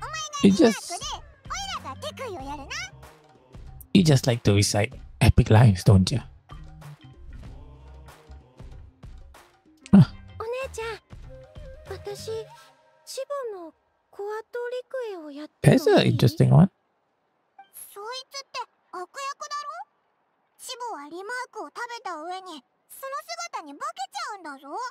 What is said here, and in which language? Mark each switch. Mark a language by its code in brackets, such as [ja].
[ja] お前がリマークで、オイラがテクイをやるな。 [en] You just like to recite epic lines, don't you? [ja] お姉ちゃん、私、シボのコアトリクエをやってもいい？ [en] That's an interesting one. [ja] そいつって悪役だろ？シボはリマークを食べた上にその姿に化けちゃうんだぞ。